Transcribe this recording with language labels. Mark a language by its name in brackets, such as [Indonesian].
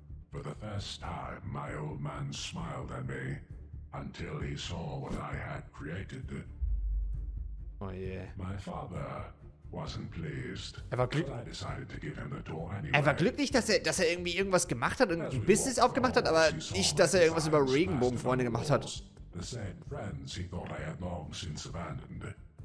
[English] For the first time, my old man smiled at me, until he saw what I had created. Oh yeah. My father wasn't pleased. [German] Er war glücklich. [English] But I decided to give him the door anyway. [German] Er war glücklich, dass er irgendwie irgendwas gemacht hat und ein Business aufgemacht hat, aber nicht, dass er irgendwas über Regenbogenfreunde gemacht hat. [English] The same friends he thought I had long since abandoned.